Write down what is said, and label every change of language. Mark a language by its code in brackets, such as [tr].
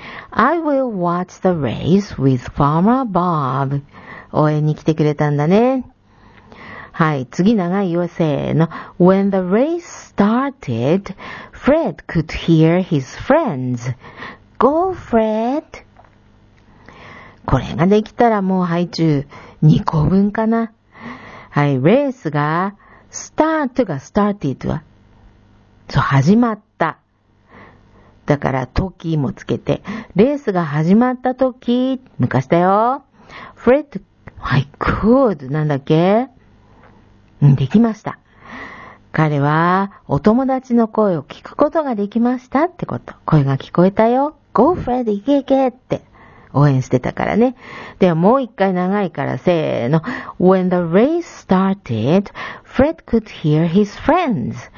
[en] I will watch the race with Farmer Bob. [ja] 応援に来てくれたんだね。はい、次長いよ、せーの。 [en] When the race started, Fred could hear his friends. Go, Fred. [ja] これができたらもうハイチュー2個分かな。はい、レースが、start が started は、そう、始まった。だから時もつけて、レースが始まった時、昔だよ。 [en] Fred, I could, [ja] なんだっけ、うん、できました。彼はお友達の声を聞くことができましたってこと。声が聞こえたよ。 [en] Go Fred, [ja] 行け行けって応援してたからね。ではもう一回長いからせーの。 [en] When the race started, Fred could hear his friends.